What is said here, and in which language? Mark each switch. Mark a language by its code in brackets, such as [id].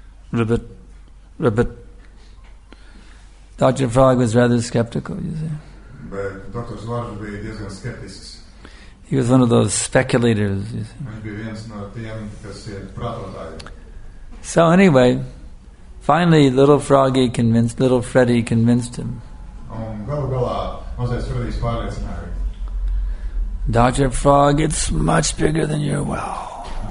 [en] Ribbit. Dr. Frog was rather skeptical, you see. [lv] But Dr. Svarge bija diezgan skeptisks. [en] He was one of those speculators, you see. [lv] Viņš bija viens no tiem, kas ir pratotāji. [en] So anyway, finally little Freddy convinced him. [lv] Un galu galā mazais Freddy's pārliecināja. [en] Dr. Frog, it's much bigger than your well.